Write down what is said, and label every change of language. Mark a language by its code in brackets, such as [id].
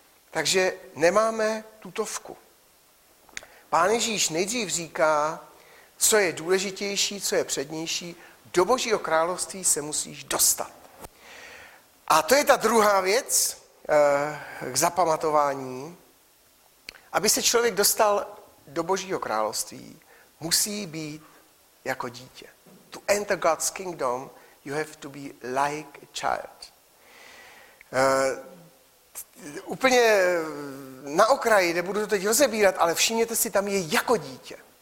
[cs] Takže nemáme tutovku. Pán Ježíš nejdřív říká, co je důležitější, co je přednější, do Božího království se musíš dostat. A to je ta druhá věc k zapamatování. Aby se člověk dostal do Božího království, musí být jako dítě. [en] To enter God's kingdom, you have to be like a child. [cs] Úplně na okraji, nebudu to teď rozebírat, ale všimněte si, tam je jako dítě.